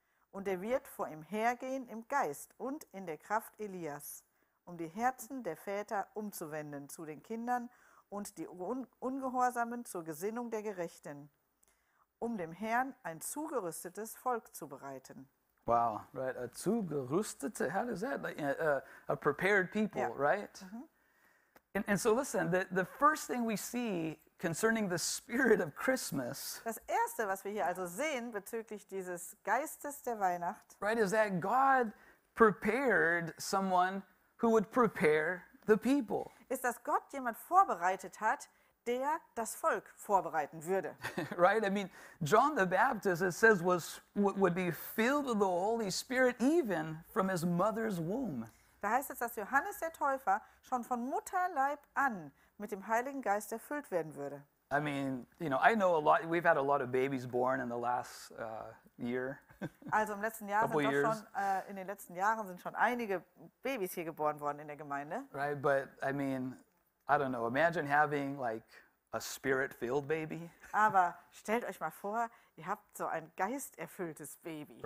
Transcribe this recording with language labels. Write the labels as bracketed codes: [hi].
[de] Und er wird vor ihm hergehen im Geist und in der Kraft Elias, um die Herzen der Väter umzuwenden zu den Kindern und die Ungehorsamen zur Gesinnung der Gerechten, um dem Herrn ein zugerüstetes Volk zu bereiten. [en] Wow, right, a zugerüstete, how does that, like, a prepared people, yeah. Right? Mm-hmm. And so listen, the first thing we see concerning the spirit of Christmas. [de] Das erste, was wir hier also sehen bezüglich dieses Geistes der Weihnacht. [en] Right, is that God prepared someone who would prepare the people. [de] Ist, dass Gott jemand vorbereitet hat, der das Volk vorbereiten würde. [en] Right? I mean, John the Baptist, it says, would be filled with the Holy Spirit even from his mother's womb. [de] Da heißt es, dass Johannes der Täufer schon von Mutterleib an mit dem Heiligen Geist erfüllt werden würde. [en] I mean, you know, I know a lot, we've had a lot of babies born in the last year. [de] Also im letzten Jahr sind doch schon in den letzten Jahren sind schon einige Babys hier geboren worden in der Gemeinde. [en] Right, but I mean, I don't know. Imagine having like a spirit-filled baby. [de] Aber stellt euch mal vor, ihr habt so ein geisterfülltes Baby.